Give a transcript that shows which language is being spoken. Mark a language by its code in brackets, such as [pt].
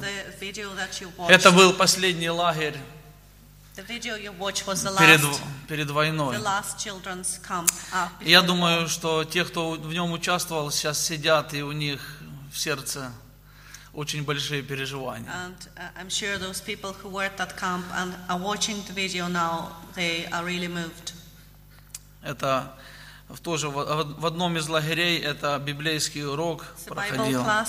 [en] The video that you watched. [ru] Это был последний лагерь [en] the video you watched was the last, [ru] перед войной. [en] The last children's camp after [ru] Я думаю, [en] the war. [ru] Что те, кто в нем участвовал, сейчас сидят, и у них в сердце очень большие переживания. [en] And I'm sure those people who were at that camp and are watching the video now, they are really moved. [ru] Это тоже в одном из лагерей, это библейский урок проходил.